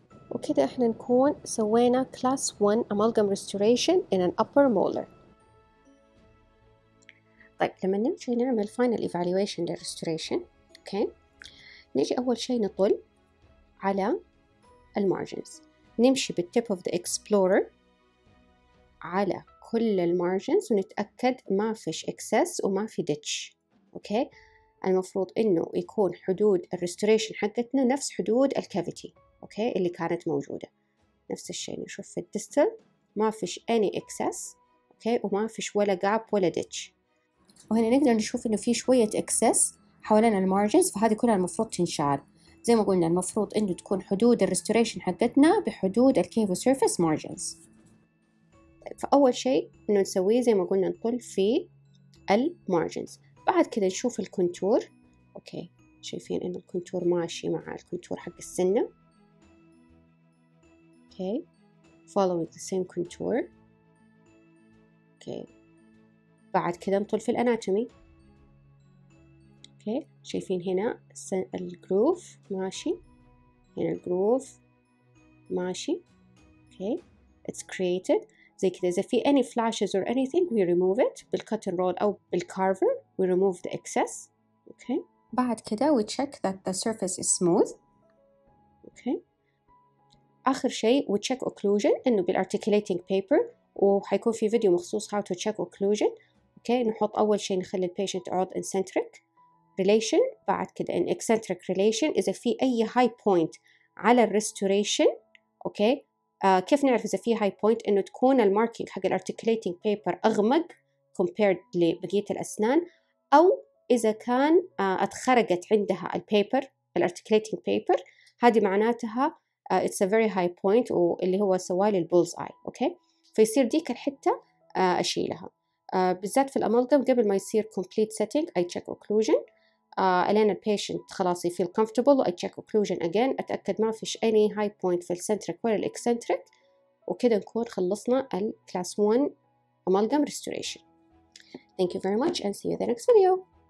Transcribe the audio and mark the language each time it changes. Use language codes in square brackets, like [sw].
[ar] وكده احنا نكون سوينا [en] class 1 amalgam restoration in an upper molar. [ar] طيب لما نمشي نعمل [en] final evaluation the restoration. Okay. [ar] نيجي اول شيء نطل على المارجنز، نمشي بالتيب اوف ذا اكسبلورر على كل المارجنز ونتاكد ما فيش اكسس وما في ديتش. اوكي، المفروض انه يكون حدود الريستوريشن حقتنا نفس حدود الكافيتي اوكي اللي كانت موجوده. نفس الشيء نشوف في الديستل ما فيش اني اكسس اوكي وما فيش ولا جاب ولا ديتش. وهنا نقدر نشوف انه في شويه اكسس حوالين المارجنز، فهذه كلها المفروض تنشال. زي ما قلنا المفروض انه تكون حدود الريستوريشن حقتنا بحدود الكيفو سيرفيس مارجنز. فاول شيء انه نسويه زي ما قلنا نطل في المارجنز، بعد كده نشوف الكونتور. اوكي، شايفين انه الكونتور ماشي مع الكونتور حق السنه. [en] Okay, following the same contour. [ar] اوكي، بعد كده نطل في الاناتومي. اوكي، شايفين هنا الجروف ماشي، هنا الجروف ماشي. اوكي، [en] it's created [ar] زي كده. اذا في [en] any flashes or anything we remove it بالcutting rod او بالcarver we remove the excess. Okay, [ar] بعد كده [en] we check that the surface is smooth. [ar] اوكي، اخر شيء [en] we check occlusion [ar] انه بالarticulating paper، وحيكون في فيديو مخصوص [en] how to check occlusion. [ar] اوكي، نحط اول شيء نخلي البيشنت عود انسنتريك relation، بعد كده [en] in eccentric relation. [ar] إذا في أي high point على restoration okay. كيف نعرف إذا في high point؟ إنه تكون الماركينج حق الarticulating paper أغمق compared لبقية الأسنان، أو إذا كان اتخرجت عندها البيبر الarticulating paper، هذه معناتها [en] it's a very high point [ar] واللي هو سوالي البولز آي okay. فيصير ديك الحتة أشيلها بالذات في الأمالغم قبل ما يصير complete setting. [en] I check occlusion [ar] ألين البيشنت خلاص يفيل [en] comfortable و I check occlusion again [ar] أتأكد ما فيش [en] any high point في الcentric ولا الeccentric. [ar] وكده نكون خلصنا الclass 1 amalgam restoration. [en] Thank you very much and see you in the next video.